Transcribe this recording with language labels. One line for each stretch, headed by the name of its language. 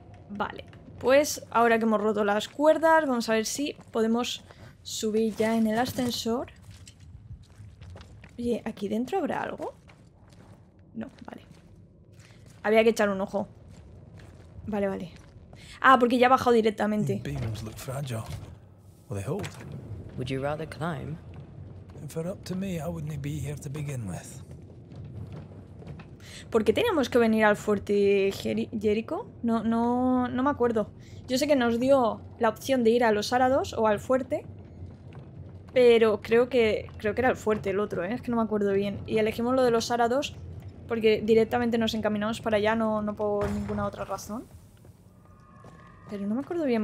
Spanish: Vale. Pues ahora que hemos roto las cuerdas, vamos a ver si podemos subir ya en el ascensor. Oye, ¿aquí dentro habrá algo? No, vale. Había que echar un ojo. Vale, vale. Ah, porque ya ha bajado directamente.
English: Beams look fragile. Well, they hold. Would you rather climb? If it were up to me, I wouldn't be here to begin with.
Spanish: ¿Por qué teníamos que venir al fuerte Jericho? No, no, no me acuerdo. Yo sé que nos dio la opción de ir a los árados o al fuerte. Pero creo que era el fuerte el otro, ¿eh? Es que no me acuerdo bien. Y elegimos lo de los árados porque directamente nos encaminamos para allá, no por ninguna otra razón. Pero no me acuerdo bien.